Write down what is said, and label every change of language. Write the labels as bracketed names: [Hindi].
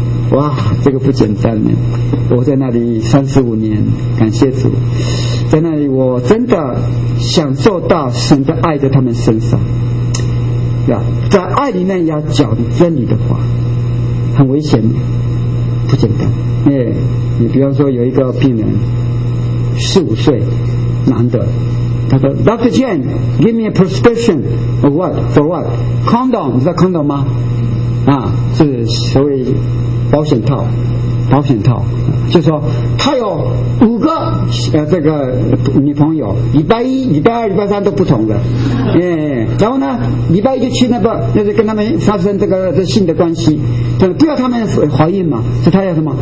[Chinese] 哇，这个不简单呢！我在那里35年，感谢主，在那里我真的享受到神的爱在他们身上。要，在爱里面要讲真理的话，很危险，不简单。哎，你比方说有一个病人，15岁，男的，他说 ：“Dr. [English] Chen, give me a prescription of what for what? [Chinese] Condom, 你知道 condom 吗？啊，是所谓保险套，保险套，就说他有5个这个女朋友，礼拜一、礼拜二、礼拜三都不同的，哎，然后呢，礼拜一就去那个，那是跟他们发生这个这性的关系，不要他们怀孕嘛，所以他要什么？